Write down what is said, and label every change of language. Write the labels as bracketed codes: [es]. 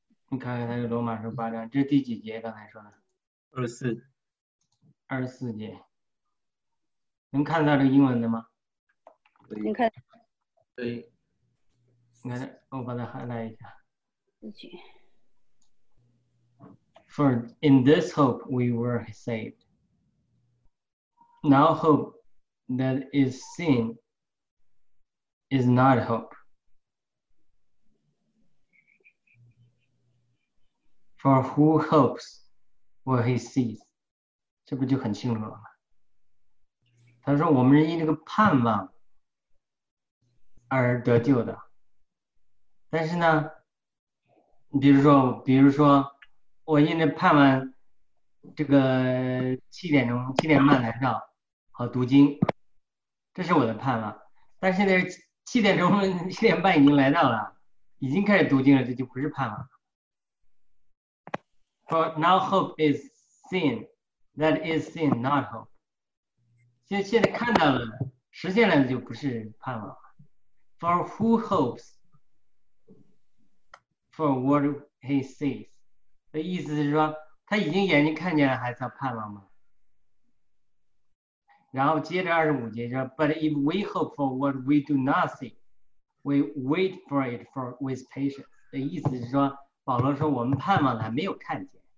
[zh] 你看看他是罗马书八章，这是第几节？刚才说的二十四节，能看到这个英文的吗？能看。对，你看，我把它 highlight 一下。 [en] Okay. For in this hope we were saved. Now hope. That is seen is not hope. For who hopes what he sees? [zh] 这不就很清楚了吗？他说我们是因这个盼望而得救的。但是呢，比如说我因着盼望这个七点半来到好读经，这是我的盼望，但是呢，七点半已经来到了，已经开始读经了，这就不是盼望。 [en] For now hope is seen, that is seen not hope. [zh] 现在看到了，实现了，就不是盼望。 [en] For who hopes for what he sees? [zh] 的意思是说，他已经眼睛看见了，还叫盼望吗？然后接着25节说 [en] ，But if we hope for what we do not see, we wait for it for with patience。 [zh] 的意思是说，保罗说我们盼望还没有看见，